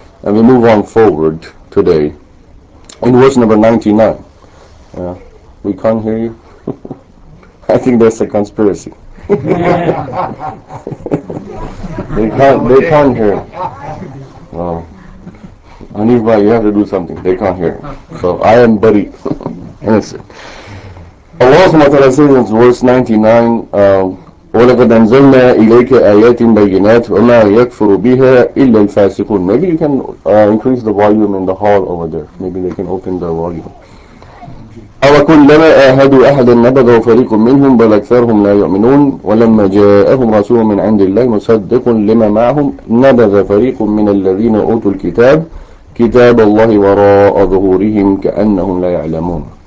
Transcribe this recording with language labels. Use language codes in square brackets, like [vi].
[en] And we move on forward today in verse number 99. We can't hear you? I think that's a conspiracy. they can't hear. Hanif bhai, you have to do something. They can't hear. So I am bari. Innocent. Allah subhanahu wa ta'ala says in verse 99, [ar] وَلَقَدْ أَنزَلْنَا إِلَيْكَ آيَاتٍ بَيِّنَاتٍ وَمَا يَكْفُرُ بِهَا إِلَّا الْفَاسِقُونَ. [en] Maybe you can increase the volume in the hall over there. Maybe they can open the volume. [ar] وَكُلَّمَا آهَدُوا أَحَدًا نَبَذَوْا فَرِيقٌ مِّنْهُمْ بَلْ أَكْثَرُهُمْ لَا يُؤْمِنُونَ وَلَمَّا جَاءَهُمْ رَسُولٌ مِّنْ عِندِ اللَّهِ مُصَدِّقٌ لِمَا مَعَهُمْ نَبَذَ فَرِيقٌ مِّنَ الَّذِينَ أُوتُوا الْكِتَابَ كِتَابَ اللَّهِ وَرَاءَ ظُهُورِهِمْ كَأَنَّهُمْ لَا يَعْلَمُونَ.